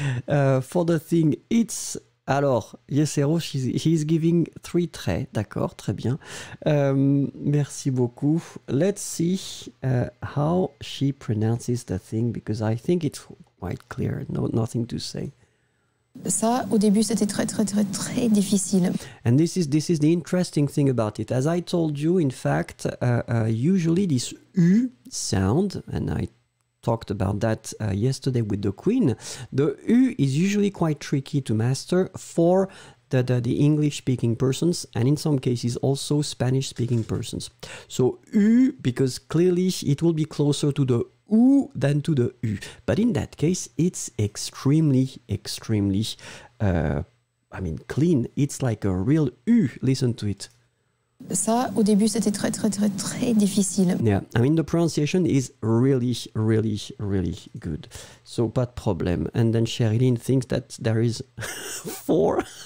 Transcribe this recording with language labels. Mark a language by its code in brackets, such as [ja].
[en] For the thing, it's... Alors, Yesero, he's giving three traits, [fr] d'accord, très bien. Merci beaucoup. [en] Let's see how she pronounces the thing, because I think it's quite clear, no, nothing to say. [fr] Ça, au début, c'était très, très, très, très difficile. [en] And this is the interesting thing about it. As I told you, in fact, usually this U sound, and I talked about that yesterday with the Queen. The U is usually quite tricky to master for the English-speaking persons and in some cases also Spanish-speaking persons. So U, because clearly it will be closer to the U than to the U. But in that case, it's extremely, extremely, clean. It's like a real U. Listen to it. [fr] Ça, au début, c'était très, très, très, très difficile. [en] Yeah, the pronunciation is really, really, really good. So, [fr] pas de problème. [en] And then Sherilyn thinks that there is four.